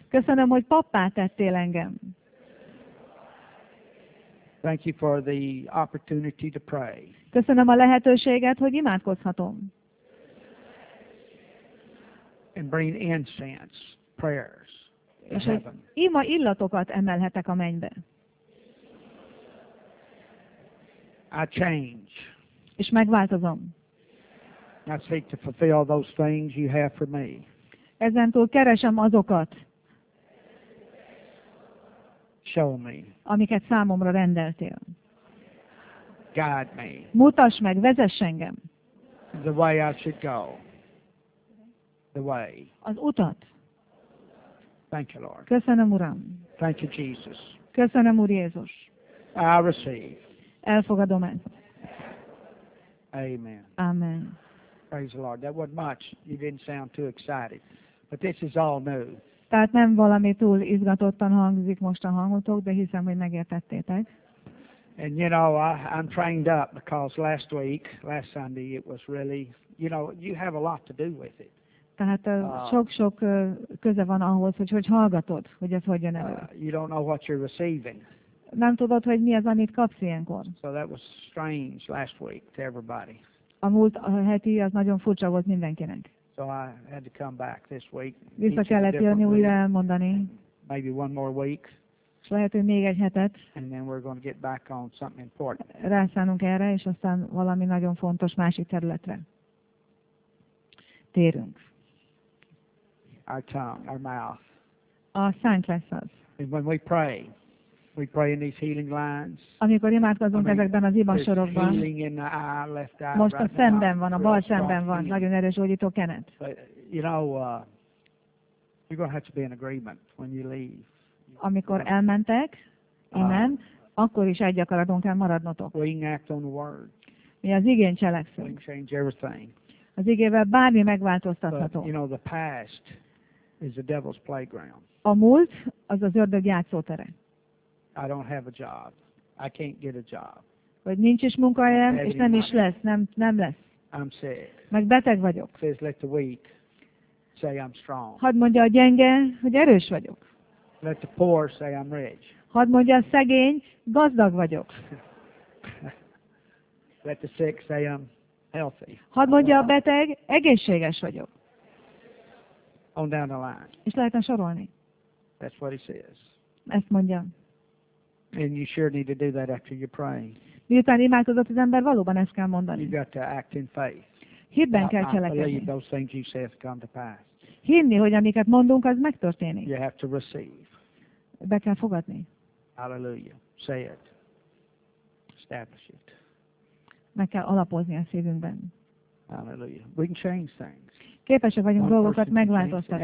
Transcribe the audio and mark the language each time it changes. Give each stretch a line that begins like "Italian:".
Hungarian: Köszönöm, hogy pappá tettél engem.
English: Thank you for the opportunity to pray.
Hungarian: Köszönöm a lehetőséget, hogy imádkozhatom.
English: And bring incense, prayers.
Hungarian: És hogy íma illatokat emelhetek a mennybe.
English: I change.
Hungarian: És megváltozom.
English: I seek to fulfill those things you have for me.
Hungarian: Ezentúl keresem azokat.
English: Show me.
Hungarian: Amiket számomra rendeltél.
English: Guide me.
Hungarian: Mutass meg, vezess engem.
English: The way I should go. The way.
Hungarian: Az utat.
English: Thank you, Lord.
Hungarian: Köszönöm, Uram.
English: Thank you, Jesus.
Hungarian: Köszönöm, Úr Jézus.
English: I receive.
Hungarian: Elfogadom ezt.
English: Amen.
Hungarian: Amen.
English: Praise the Lord. That wasn't much. You didn't sound too excited. But this is all new.
Hungarian: Tehát nem valami túl izgatottan hangzik most a hangotok, de hiszem, hogy megértettétek.
English: And you know, I'm trained up because last Sunday it was really, you know, you have a lot to do with it.
Hungarian: Tehát sok-sok köze van ahhoz, hogy hallgatod, hogy ez hogyan elő.
English: You don't know what you're receiving.
Hungarian: Nem tudod, hogy mi az, amit kapsz ilyenkor.
English: So that was strange last week to everybody.
Hungarian: A múlt heti az nagyon furcsa volt mindenkinek.
English: So I had to come back this week.
Hungarian: Vissza kellett jönni, újra elmondani.
English: Maybe one more week.
Hungarian: És lehet, hogy még egy hetet.
English: And then we're going to get back on something important.
Hungarian: Rászánunk erre, és aztán valami nagyon fontos másik területre térünk.
English: Our tongue, our mouth.
Hungarian: A szánk lesz az.
English: And when we pray. We pray in these healing lines.
Hungarian: Amikor imádkozunk ezekben az ima sorokban, most a szemben van, a bal szemben van, nagyon erős gyógyító kenet.
English: You know, you're going to have to be in agreement when you leave.
Hungarian: Amikor elmentek, innen, akkor is egy akaraton kell maradnotok.
English: We act on the word.
Hungarian: Mi az igén cselekszünk.
English: We can change everything.
Hungarian: Az igével bármi megváltoztatható.
English: But, you know, the past is the devil's playground.
Hungarian: A múlt az az ördög játszótere.
English: I don't have a job. I can't get a job.
Hungarian: Vagy nincs is munkahelyem, és nem is lesz. Nem lesz.
English: I'm sick.
Hungarian: Meg beteg vagyok.
English: Says let the weak say I'm strong.
Hungarian: Hadd mondja a gyenge, hogy erős vagyok.
English: Let the poor say I'm rich.
Hungarian: Hadd mondja a szegény, gazdag vagyok.
English: Let the sick say I'm healthy.
Hungarian: Hadd mondja a beteg, egészséges vagyok.
English: On down the line.
Hungarian: És lehetne sorolni.
English: That's what he says.
Hungarian: Ezt mondja.
English: And you sure need to do that after you're praying.
Hungarian: Miután imádkozott az ember, valóban ezt kell mondani.
English: You've got to act in faith.
Hungarian: Hitben kell cselekedni.
English: I believe those things you say have come to pass.
Hungarian: Hinni, hogy amiket mondunk, az megtörténik.
English: You have to receive.
Hungarian: Be kell fogadni.
English: Hallelujah. Say it. Establish it.
Hungarian: Meg kell alapozni a szívünkben.
English: Hallelujah. We can change things.
Hungarian: Képesek vagyunk dolgokat megváltoztatni.